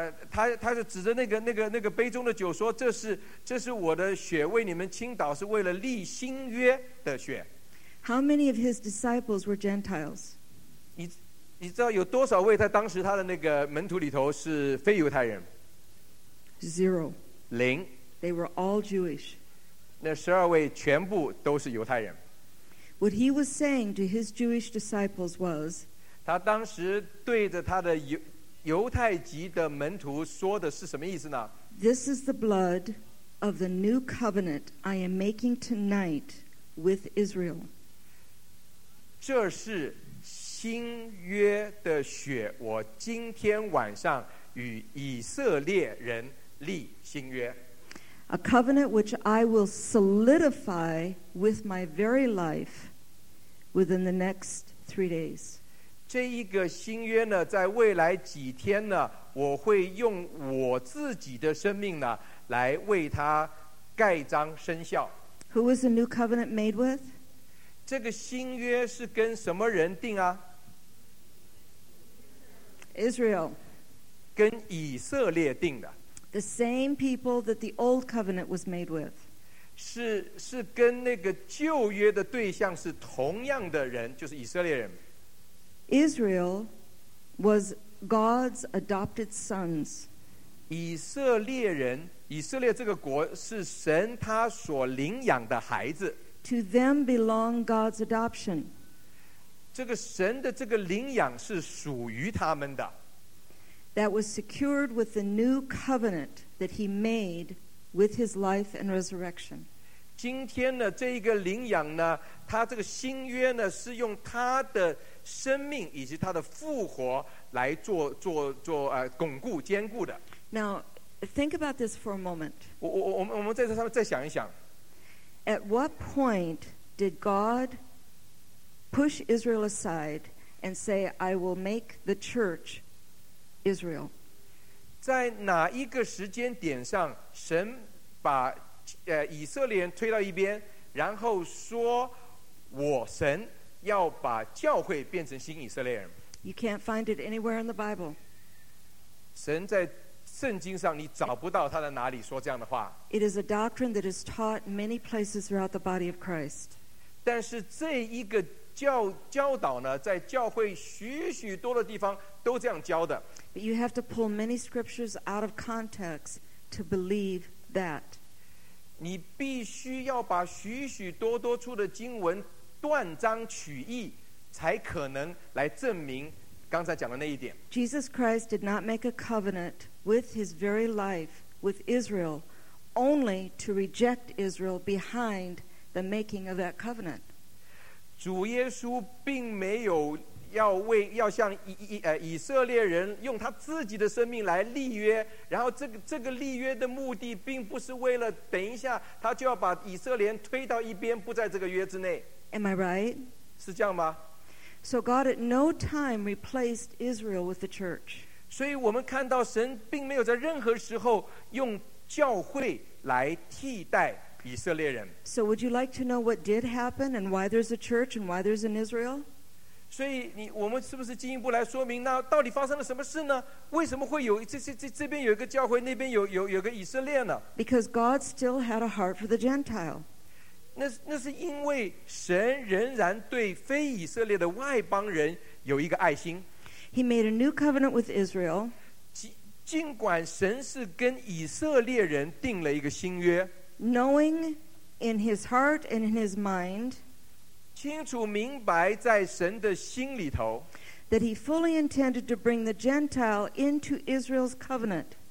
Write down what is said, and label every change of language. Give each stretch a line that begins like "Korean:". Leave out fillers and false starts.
Chinese: 他是指着那个杯中的酒说，这是我的血为你们倾倒，是为了立新约的血。
English: How many of his disciples were Gentiles?
Chinese: 你知道有多少位在当时他的那个门徒里头是非犹太人？
English: Zero.
Chinese: 零。
English: They were all Jewish.
Chinese: 那十二位全部都是犹太人。
English: What he was saying to his Jewish disciples was,
Chinese: 他当时对着他的犹太籍的门徒说的是什么意思呢？
English: This is the blood of the new covenant I am making tonight with Israel.
Chinese: 这是新约的血，我今天晚上与以色列人立新约。
English: A covenant which I will solidify with my very life within the next 3 days.
Chinese: 这一个新约呢，在未来几天呢，我会用我自己的生命呢，来为它盖章生效。
English: Who is the new covenant made with?
Chinese: 这个新约是跟什么人定啊？
English: Israel.
Chinese: 跟以色列定的。
English: The same people that the old covenant was made with.
Chinese: 是跟那个旧约的对象是同样的人，就是以色列人。
English: Israel was God's adopted sons.
Chinese: 以色列人，以色列这个国是神他所领养的孩子。
English: To them belong God's adoption.
Chinese: 这个神的这个领养是属于他们的。
English: That was secured with the new covenant that he made with his life and resurrection.
Chinese: 今天呢，这一个领养呢，他这个新约呢，是用他的生命以及他的复活来巩固坚固的。
English: Now, think about this for a moment.
Chinese: 我们在这上面再想一想。
English: At what point did God push Israel aside and say, "I will make the church Israel"?
Chinese: 在哪一个时间点上，神把以色列人推到一边，然后说我神要把教会变成新以色列人。
English: You can't find it anywhere in the Bible.
Chinese: 神在圣经上你找不到他在哪里说这样的话。
English: It is a doctrine that is taught many places throughout the body of Christ.
Chinese: 但是这一个教导呢，在教会许许多的地方都这样教的。
English: But you have to pull many scriptures out of context to believe that.
Chinese: 你必须要把许许多多处的经文断章取义，才可能来证明刚才讲的那一点。
English: Jesus Christ did not make a covenant with his very life with Israel, only to reject Israel behind the making of that covenant.
Chinese: 主耶稣并没有要向以色列人用他自己的生命来立约，然后这个立约的目的并不是为了等一下他就要把以色列推到一边，不在这个约之内。
English: Am I right?
Chinese: 是这样吗？
English: So God at no time replaced Israel with the church.
Chinese: 所以我们看到神并没有在任何时候用教会来替代以色列人。
English: So would you like to know what did happen and why there's a church and why there's an Israel?
Chinese: 所以我们是不是进一步来说明，那到底发生了什么事呢？为什么会有这边有一个教会，那边有个以色列呢？
English: Because God still had a heart for the Gentile.
Chinese: 那是因为神仍然对非以色列的外邦人有一个爱心。
English: He made a new covenant with Israel.
Chinese: 尽管神是跟以色列人定了一个新约，
English: Knowing in his heart and in his mind.
Chinese: 清楚明白在神的心里头，
English: that he fully intended to bring the Gentile into Israel's covenant.